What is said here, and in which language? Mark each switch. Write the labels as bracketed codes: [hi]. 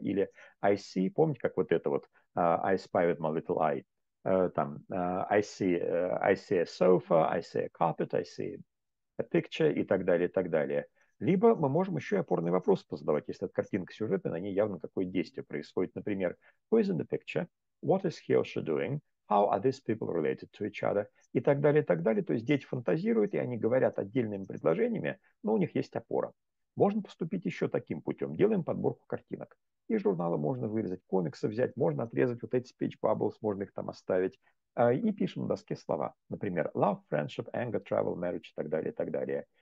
[en] Или I see, [ru] помните, как вот это вот, [en] I spy with my little eye. I see a sofa, I see a carpet, I see a picture [ru] и так далее, и так далее. Либо мы можем еще и опорный вопрос позадавать, если это картинка сюжета, на ней явно какое-то действие происходит. [en] Например, who is in the picture? What is he or she doing? How are these people related to each other? [ru] И так далее, и так далее. То есть дети фантазируют, и они говорят отдельными предложениями, но у них есть опора. Можно поступить еще таким путем. Делаем подборку картинок. Из журнала можно вырезать, комиксы взять, можно отрезать вот эти speech bubbles, можно их там оставить. И пишем на доске слова. Например, love, friendship, anger, travel, marriage и так далее, и так далее.